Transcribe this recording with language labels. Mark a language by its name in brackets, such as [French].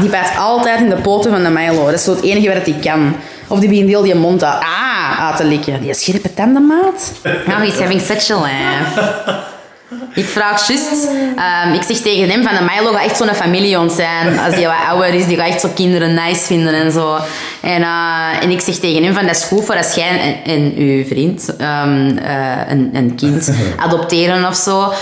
[Dutch] Die past altijd in de poten van de Milo. Dat is zo het enige wat hij kan. Of die begint heel die mond uit te likken. Die scherpe tandenmaat. [English] Nou, he's having such a laugh. [Dutch] Ik vraag juist, ik zeg tegen hem van de Milo gaat echt zo'n familiehond zijn. Als die wat ouder is, die gaat echt zo kinderen nice vinden en zo. En ik zeg tegen hem van dat is goed voor als jij en uw vriend een kind adopteren of zo.